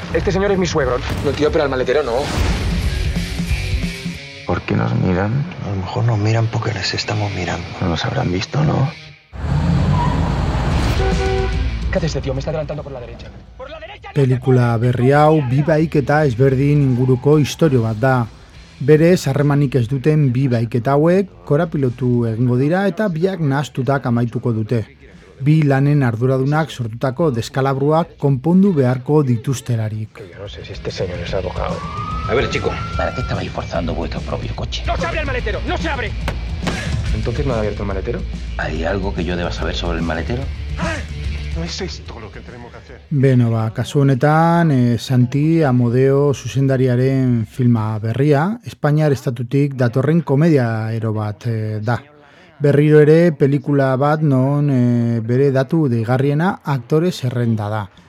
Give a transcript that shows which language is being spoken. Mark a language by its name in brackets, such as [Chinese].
[Spanish] Este señor es mi suegro. No, tío, pero al maletero no. ¿Por qué nos miran? A lo mejor nos miran porque les estamos mirando. Nos habrán visto, ¿no? ¿Qué hace este tío? Me está adelantando por la derecha. [Basque] Pelikula berri hau bi bahiketa ezberdin inguruko istorio bat da. Berez, harremanik ez duten bi bahiketa hauek korapilotu egingo dira eta biak nahastutak amaituko dute. Bi lanen arduradunak sortutako deskalabruak konpondu beharko dituztelarik. [Spanish] No sé si este señor es abogado. A ver, chico, ¿para qué estabais forzando vuestro propio coche? ¡No se abre el maletero! ¡No se abre! ¿Entonces no ha abierto el maletero? ¿Hay algo que yo deba saber sobre el maletero? No es esto lo que tenemos que hacer. [Basque] Bueno, va, kasu honetan, Santi Amodeo zuzendariaren filma berria, Espainiar estatutik datorren komedia ero bat da. Berriro ere pelikula bat non bere datu deigarriena aktore zerrenda da.